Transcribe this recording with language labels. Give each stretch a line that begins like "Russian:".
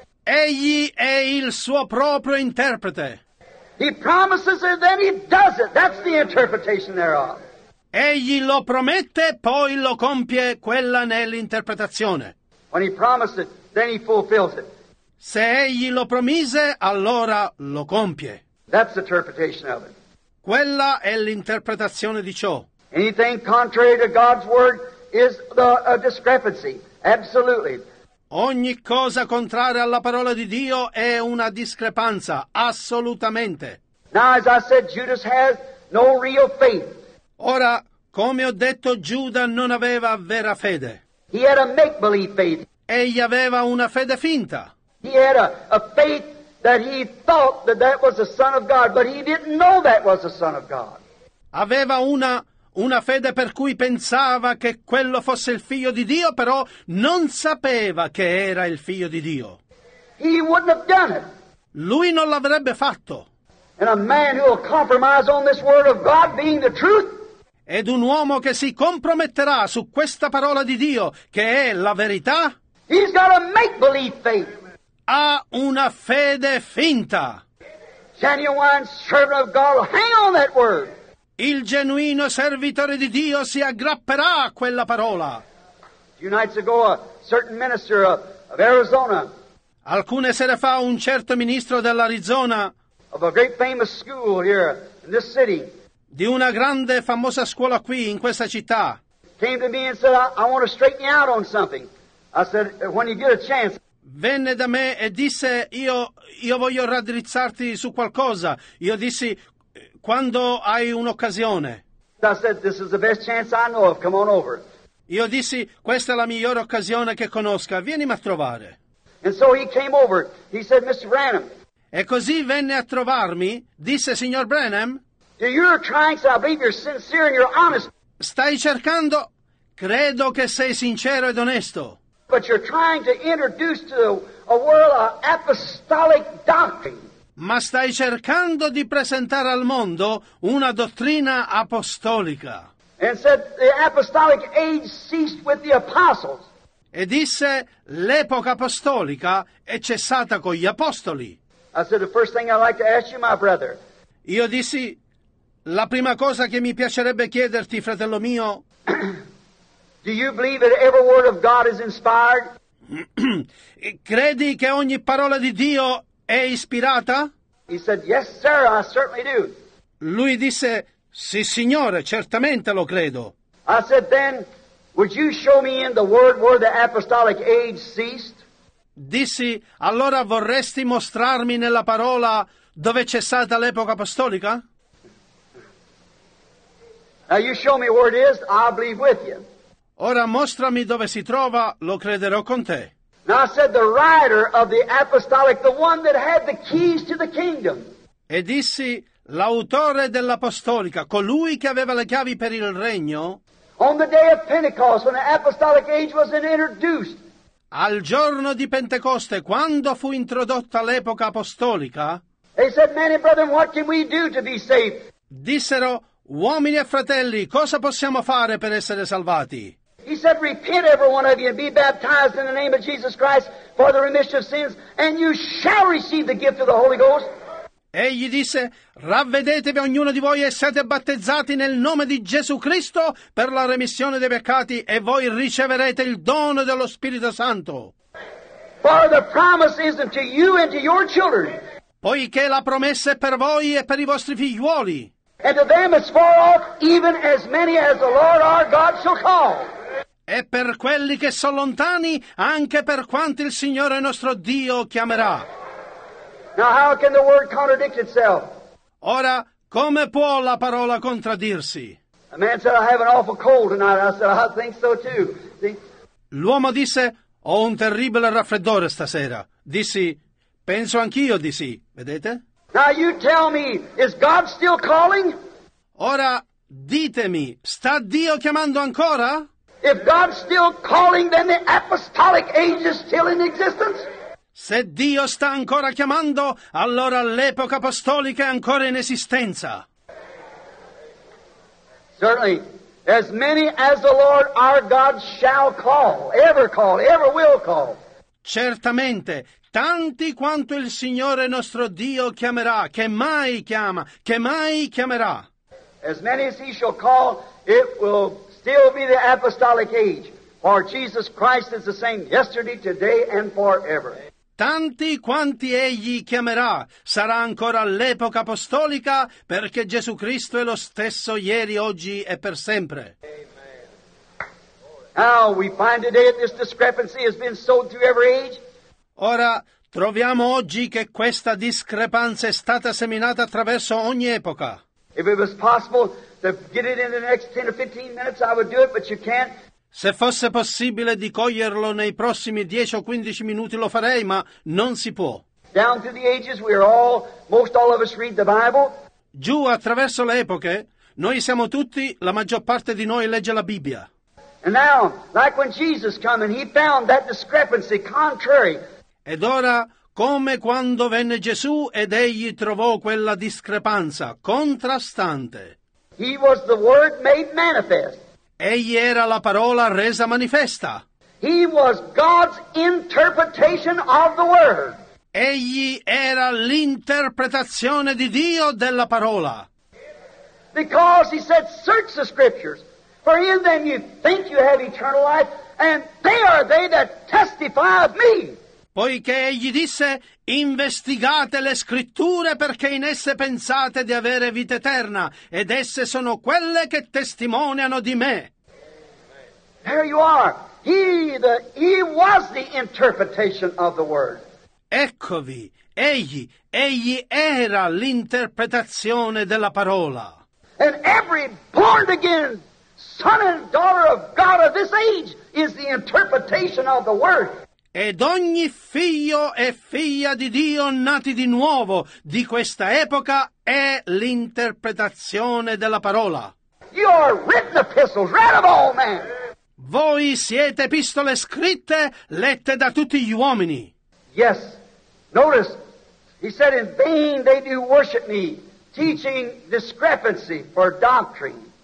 Italian: Egli è il suo proprio interprete.
English: He promises and then he does it. That's the interpretation thereof.
Italian: Egli lo promette, poi lo compie, quella nell'interpretazione.
English: When he promised it, then he fulfills it.
Italian: Se egli lo promise, allora lo compie.
English: That's the interpretation of it.
Italian: Quella è l'interpretazione di ciò.
English: Anything contrary to God's word is a discrepancy. Absolutely.
Italian: Ogni cosa contraria alla parola di Dio è una discrepanza, assolutamente.
English: Now, as I said, Judas has no real faith.
Italian: Ora, come ho detto, Giuda non aveva vera fede.
English: He had a make-believe faith.
Italian: Egli aveva una fede finta.
English: He had a faith that he thought that that was the Son of God, but he didn't know that was the Son of God.
Italian: Aveva una fede per cui pensava che quello fosse il figlio di Dio, però non sapeva che era il figlio di Dio.
English: He wouldn't have done it.
Italian: Lui non l'avrebbe fatto.
English: And a man who will compromise on this word of God being the truth.
Italian: Ed un uomo che si comprometterà su questa parola di Dio, che è la verità.
English: He's got a make-believe faith.
Italian: Ha una fede finta.
English: Genuine servant of God will hang on that word.
Italian: Il genuino servitore di Dio si aggrapperà a quella parola.
English: Few nights ago, a certain minister of Arizona.
Italian: Alcune sere fa, un certo ministro dell'Arizona.
English: Of a great famous school here in this city.
Italian: Di una grande famosa scuola qui in questa città.
English: Came to me and said, I want to straighten you out on something. I said, when you get a chance.
Italian: Venne da me e disse, io voglio raddrizzarti su qualcosa. Io dissi, quando hai un'occasione.
English: I said, this is the best chance I know of. Come on over.
Italian: Io dissi, questa è la migliore occasione che conosca. Vienimi a trovare.
English: And so he came over. He said, Mr. Branham.
Italian: E così venne a trovarmi. Disse, signor Branham.
English: You're trying, so I believe you're sincere and you're honest.
Italian: Stai cercando? Credo che sei sincero ed onesto.
English: But you're trying to introduce to a world an apostolic doctrine.
Italian: Ma stai cercando di presentare al mondo una dottrina apostolica.
English: And said the apostolic age ceased with the apostles.
Italian: E disse l'epoca apostolica è cessata con gli apostoli.
English: I said the first thing I'd like to ask you, my brother.
Italian: Io dissi la prima cosa che mi piacerebbe chiederti, fratello mio.
English: Do you believe that every word of God is inspired?
Italian: Credi che ogni parola di Dio è ispirata?
English: He said, yes, sir, I certainly do.
Italian: Lui disse, sì, signore, certamente lo credo.
English: I said, then, would you show me in the word where the apostolic age ceased?
Italian: Dissi, allora vorresti mostrarmi nella parola dove è cessata l'epoca apostolica?
English: Now you show me where it is, I'll believe with you.
Italian: Ora mostrami dove si trova, lo crederò con te.
English: Now I said the writer of the apostolic, the one that had the keys to the kingdom.
Italian: E dissi, l'autore dell'apostolica, colui che aveva le chiavi per il regno.
English: On the day of Pentecost, when the apostolic age was introduced.
Italian: Al giorno di Pentecoste, quando fu introdotta l'epoca apostolica.
English: He said, men and brethren, what can we do to be saved?
Italian: Dissero, uomini e fratelli, cosa possiamo fare per essere salvati?
English: He said, repent every one of you and be baptized in the name of Jesus Christ for the remission of sins, and you shall receive the gift of the Holy Ghost.
Italian: Egli disse, ravvedetevi ognuno di voi e siate battezzati nel nome di Gesù Cristo per la remissione dei peccati, e voi riceverete il dono dello Spirito Santo.
English: For the promise is unto you and to your children.
Italian: Poiché la promessa è per voi e per i vostri figliuoli.
English: And to them as far off, even as many as the Lord our God shall call.
Italian: E per quelli che sono lontani, anche per quanti il Signore nostro Dio chiamerà.
English: Now how can the word contradict itself?
Italian: Ora, come può la parola contraddirsi?
English: A man said, I have an awful cold tonight. I said, I think so too.
Italian: L'uomo disse, ho un terribile raffreddore stasera. Dissi, penso anch'io di sì. Vedete?
English: Now you tell me, is God still calling?
Italian: Ora, ditemi, sta Dio chiamando ancora?
English: If God's still calling, then the apostolic age is still in existence?
Italian: Se Dio sta ancora chiamando, allora l'epoca apostolica è ancora in esistenza.
English: Certainly, as many as the Lord our God shall call, ever call, ever will call.
Italian: Certamente, tanti quanto il Signore nostro Dio chiamerà, che mai chiama, che mai chiamerà.
English: As many as he shall call, it will still be the apostolic age, for Jesus Christ is the same yesterday, today and forever.
Italian: Tanti quanti egli chiamerà, sarà ancora l'epoca apostolica, perché Gesù Cristo è lo stesso ieri, oggi e per sempre.
English: Now we find today that this discrepancy has been sowed through every age.
Italian: Ora troviamo oggi che questa discrepanza è stata seminata attraverso ogni epoca.
English: If it was possible to get it in the next 10 or 15 minutes, I would do it, but you can't.
Italian: Se fosse possibile di coglierlo nei prossimi 10 o 15 minuti lo farei, ma non si può.
English: Down through the ages, we are all, most all of us read the Bible.
Italian: Giù attraverso le epoche, noi siamo tutti, la maggior parte di noi legge la Bibbia.
English: And now, like when Jesus came and he found that discrepancy contrary.
Italian: Ed ora, come quando venne Gesù ed egli trovò quella discrepanza contrastante.
English: He was the word made manifest.
Italian: Egli era la parola resa manifesta.
English: He was God's interpretation of the word.
Italian: Egli era l'interpretazione di Dio della parola.
English: Because he said, search the scriptures. For in them you think you have eternal life, and they are they that testify of me.
Italian: Poiché egli disse, investigate le scritture perché in esse pensate di avere vita eterna, ed esse sono quelle che testimoniano di me.
English: There you are. He was the interpretation of the word.
Italian: Eccovi, egli era l'interpretazione della parola.
English: And every born again son and daughter of God of this age is the interpretation of the word.
Italian: Ed ogni figlio e figlia di Dio nati di nuovo di questa epoca è l'interpretazione della parola.
English: You are written epistles, read of all men.
Italian: Voi siete epistole scritte, lette da tutti gli uomini.
English: Yes, notice, he said, in vain they do worship me, teaching discrepancy for doctrine.